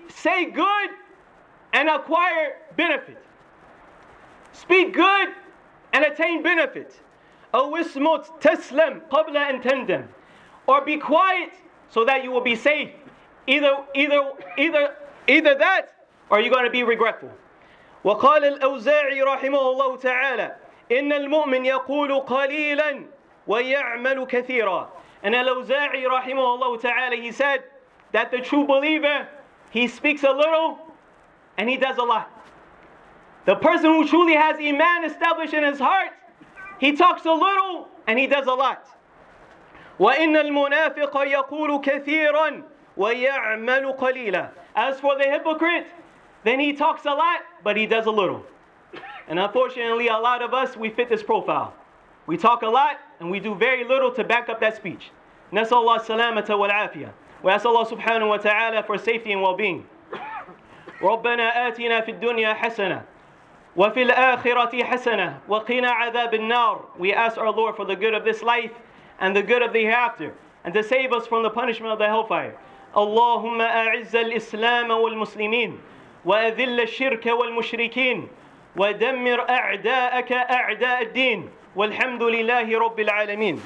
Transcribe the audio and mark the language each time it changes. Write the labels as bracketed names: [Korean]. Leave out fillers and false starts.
[English] Say good and acquire benefit. Speak good and attain benefit. [Arabic] أو اسمت تسلم قبل أن تندم. [English] Or be quiet so that you will be safe. Either that, or you're going to be regretful." [Arabic] وقال الأوزاعي رحمه الله تعالى, "إن المؤمن يقول قليلا ويعمل كثيرا." [English] And الأوزاعي [Arabic] رحمه الله تعالى, [English] he said that the true believer, he speaks a little and he does a lot. The person who truly has iman established in his heart, he talks a little and he does a lot. [Arabic] وإن المنافق يقول كثيرا ويعمل قليلا. [English] As for the hypocrite, then he talks a lot, but he does a little. And unfortunately, a lot of us, we fit this profile. We talk a lot, and we do very little to back up that speech. [Arabic] نسأل الله السلامة والعافية. [English] We ask Allah subhanahu wa ta'ala for safety and well-being. [Arabic] ربنا آتنا في الدنيا حسنة وفي الآخرة حسنة وقنا عذاب النار. [English] We ask our Lord for the good of this life and the good of the hereafter, and to save us from the punishment of the hellfire. [Arabic] اللهم أعز الإسلام والمسلمين، وأذل الشرك والمشركين، ودمر أعداءك أعداء الدين، والحمد لله رب العالمين.